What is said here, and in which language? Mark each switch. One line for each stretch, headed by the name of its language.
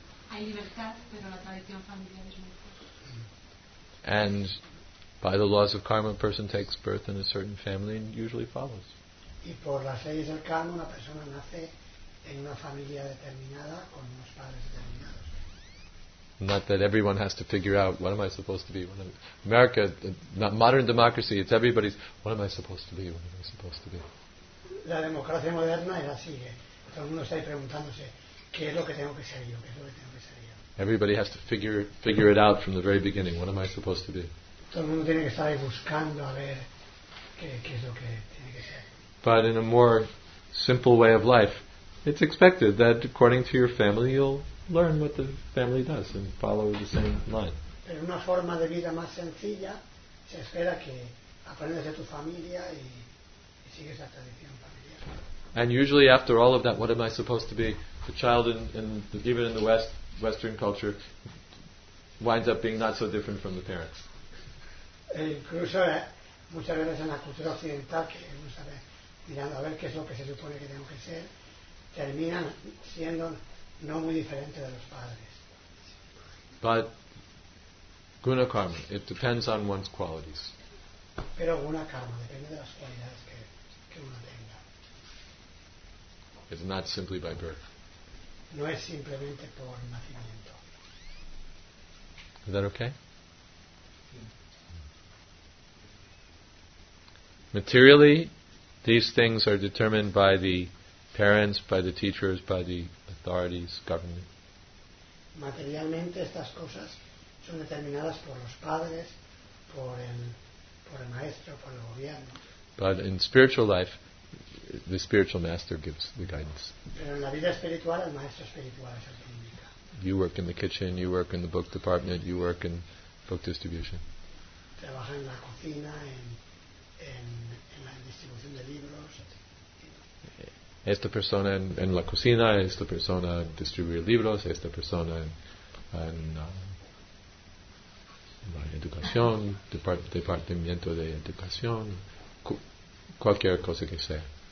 Spanish: hay libertad, pero la tradición familiar es muy fuerte.
English: And by the laws of karma, a person takes birth in a certain family and usually follows.
Spanish: Y por las leyes del karma, una persona nace en una familia determinada con unos padres determinados.
English: Not that everyone has to figure out what am I supposed to be. America, not modern democracy. It's everybody's. What am I supposed to be? What am I supposed to be?
Spanish: La democracia moderna es así. Todo el mundo está preguntándose qué es lo que tengo que ser yo.
English: Everybody has to figure it out from the very beginning. What am I supposed to be?
Spanish: Todo el mundo tiene que estar buscando a ver qué es lo que tiene que ser.
English: But in a more simple way of life, it's expected that according to your family, you'll learn what the family does and follow the same line.
Spanish: Pero una forma de vida más sencilla se espera que aprendas de tu familia y sigues la tradición familiar.
English: And usually after all of that, what am I supposed to be? The child even in the Western culture winds up being not so different from the parents.
Spanish: Incluso muchas veces en la cultura occidental que uno sabe mirando a ver qué es lo que se supone que tengo que ser terminan siendo no muy diferente de los padres.
English: But guna karma, it depends on one's qualities.
Spanish: Pero guna karma depende de las cualidades que uno tenga.
English: It's not simply by birth.
Spanish: No es simplemente por nacimiento.
English: Is that okay? Materially, these things are determined by the parents, by the teachers, by the authorities, government.
Spanish: Materialmente estas cosas son determinadas por los padres, por el maestro, por el gobierno.
English: But in spiritual life, the spiritual master gives the guidance.
Spanish: Pero en la vida espiritual, el maestro espiritual es el que indica.
English: You work in the kitchen, you work in the book department, you work in book distribution.
Spanish: Trabaja en la cocina, en la distribución de libros. Esta persona en la cocina, esta persona distribuye libros, esta persona en la educación, departamento de educación, cualquier cosa que sea.